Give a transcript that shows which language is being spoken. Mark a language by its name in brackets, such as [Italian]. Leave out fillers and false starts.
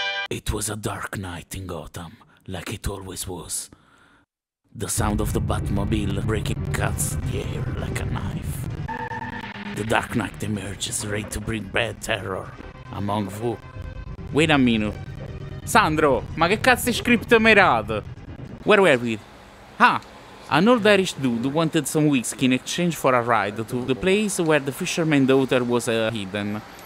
[English] It was a dark night in Gotham, like it always was. The sound of the Batmobile breaking cuts the air like a knife. The Dark Knight emerges, ready to bring bad terror among who? Wait a minute. [Italian] Sandro, ma che cazzo di script mi rad? [English] Where were we? Ah, an old Irish dude wanted some whiskey in exchange for a ride to the place where the fisherman's daughter was hidden.